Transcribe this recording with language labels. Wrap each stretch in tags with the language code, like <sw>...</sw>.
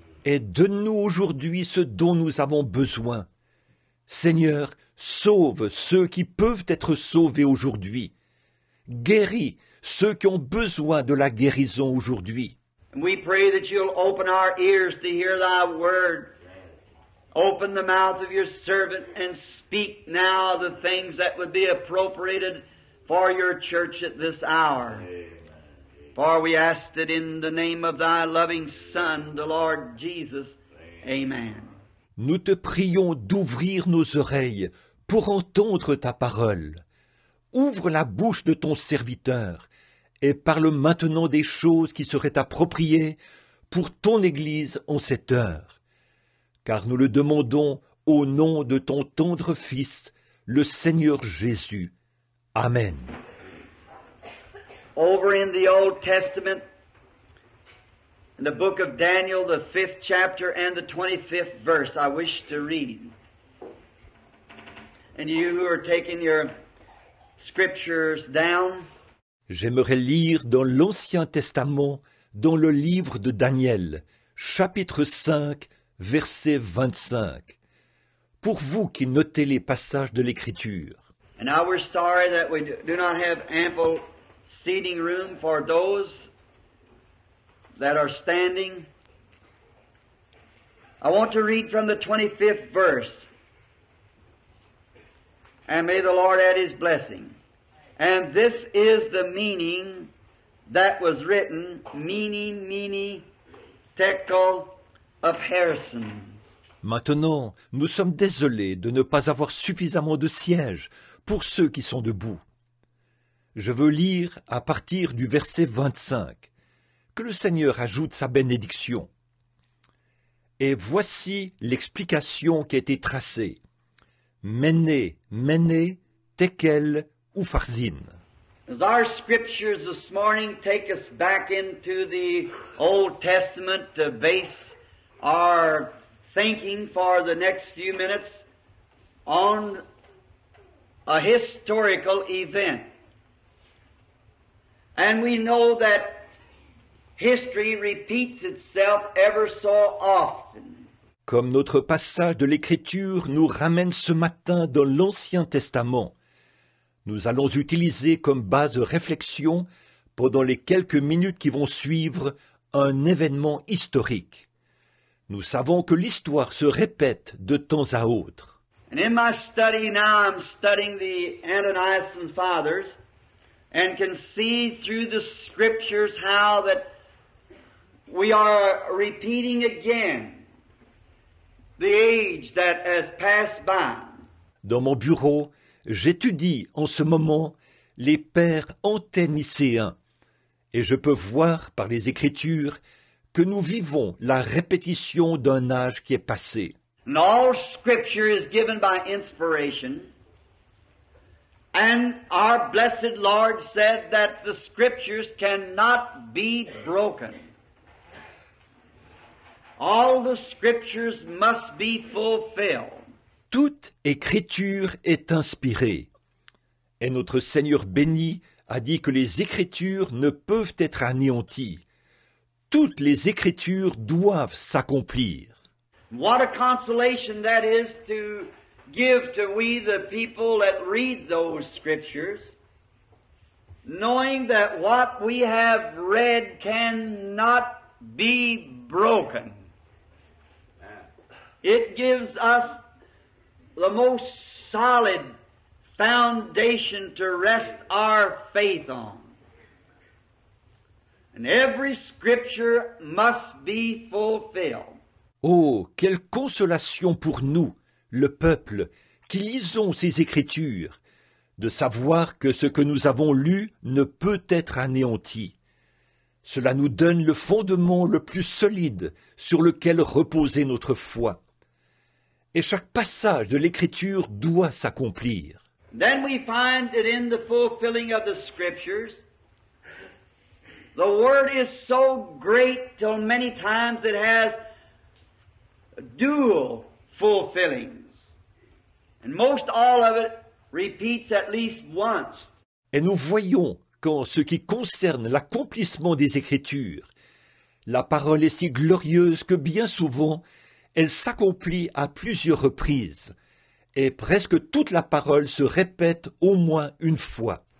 <fr>Et donne-nous aujourd'hui ce dont nous avons besoin. Seigneur, sauve ceux qui peuvent être sauvés aujourd'hui. Guéris ceux qui ont besoin de la guérison aujourd'hui.</fr> <en>We pray that you'll open our ears to hear thy word. Open the mouth of your servant and speak now the things that would be appropriated for your church at this hour. For we ask it in the name of thy loving Son, the Lord Jesus. Amen.</en> <fr>Nous te prions d'ouvrir nos oreilles pour entendre ta parole. Ouvre la bouche de ton serviteur et parle maintenant des choses qui seraient appropriées pour ton Église en cette heure. Car nous le demandons au nom de ton tendre Fils, le Seigneur Jésus. Amen.</fr> <en>Over in the Old Testament, in the book of Daniel, the 5th chapter and the 25th verse, I wish to read. And you who are taking your scriptures down.</en> <fr>J'aimerais lire dans l'Ancien Testament, dans le livre de Daniel, chapitre 5, verset 25. Pour vous qui notez les passages de l'Écriture.</fr> <en>And I were sorry that we do not have ample seating room for those that are standing. I want to read from the 25th verse. And may the Lord add his blessing. And this is the meaning that was written, Mene, Mene, Tekel, Upharsin.</en> <fr>Maintenant, nous sommes désolés de ne pas avoir suffisamment de sièges pour ceux qui sont debout. Je veux lire à partir du verset 25, que le Seigneur ajoute sa bénédiction. Et voici l'explication qui a été tracée. Mene, Mene, Tekel, Upharsin.</fr> <en>As our scriptures this morning take us back into the Old Testament to base our thinking for the next few minutes on a historical event. And we know that history repeats itself ever so often.</en> <fr>Comme notre passage de l'Écriture nous ramène ce matin dans l'Ancien Testament, nous allons utiliser comme base de réflexion, pendant les quelques minutes qui vont suivre, un événement historique. Nous savons que l'histoire se répète de temps à autre.</fr> <en>And in my study now, I'm studying the Ananias and Fathers, and can see through the scriptures how that we are repeating again the age that has passed by.</en> <fr>Dans mon bureau, j'étudie en ce moment les pères anténicéens et je peux voir par les Écritures que nous vivons la répétition d'un âge qui est passé.</fr> <en>And all scripture is given by inspiration. And our blessed Lord said that the scriptures cannot be broken. All the scriptures must be fulfilled.</en> <fr>Toute écriture est inspirée. Et notre Seigneur béni a dit que les écritures ne peuvent être anéanties. Toutes les écritures doivent s'accomplir.</fr> <en>What a consolation that is to give to we the people that read those scriptures, knowing that what we have read cannot be broken. It gives us the most solid foundation to rest our faith on. And every scripture must be fulfilled.</en> <fr>Oh, quelle consolation pour nous, le peuple, qui lisons ces Écritures, de savoir que ce que nous avons lu ne peut être anéanti. Cela nous donne le fondement le plus solide sur lequel reposer notre foi. Et chaque passage de l'Écriture doit s'accomplir.</fr> <en>Then we find that in the fulfilling of the Scriptures, the Word is so great till many times it has dual fulfillings. And most all of it repeats at least once.</en> <fr>Et nous voyons qu'en ce qui concerne l'accomplissement des Écritures, la parole est si glorieuse que bien souvent, elle s'accomplit à plusieurs reprises. Et presque toute la parole se répète au moins une fois.</fr>